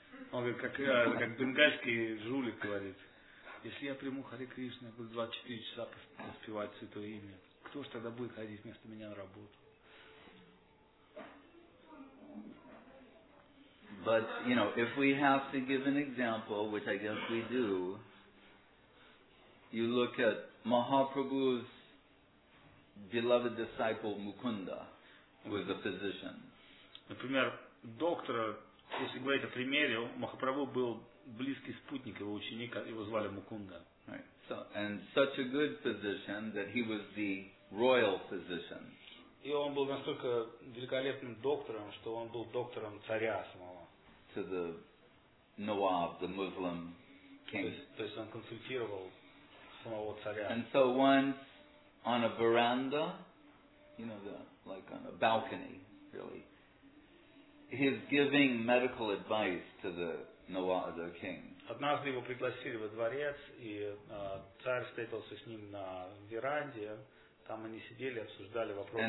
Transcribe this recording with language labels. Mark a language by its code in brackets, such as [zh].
[ru] Как бенгальский жулик говорит. Если я приму Харе Кришна, буду 24 часа поспевать Святое Имя, кто же тогда будет ходить вместо меня на работу? [en] But, you know, if we have to give an example, which I guess we do, you look at Mahaprabhu's beloved disciple Mukunda, who is a physician. [ru] Например, доктора, если говорить о примере, Махапрабху был близкий спутник его ученика, его звали Мукунда. [en] Right. So, and such a good physician that he was the royal physician. [ru] И он был настолько великолепным доктором, что он был доктором царя самого. [en] To the Nawab, the Muslim king. [ru] То есть он консультировал самого царя. [en] And so once on a veranda, you know, the like on a balcony, really, he's giving medical advice to the Nawab, the king. [ru] Однажды его пригласили во дворец, и царь встретился с ним на веранде. Там они сидели, обсуждали вопросы здоровья.